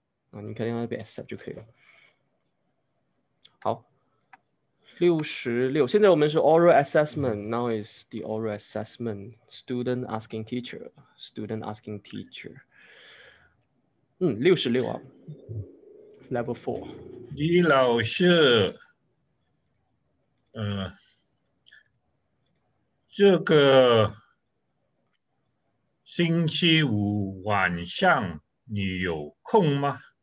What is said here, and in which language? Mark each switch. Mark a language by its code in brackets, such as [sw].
[zh] 你可以用那边 accept 就可以了。好。66. 现在我们是 oral assessment. [en] Now is the oral assessment. Student asking teacher. Student asking teacher. 66. Level 4. [zh] 李老师，这个星期五晚上你有空吗？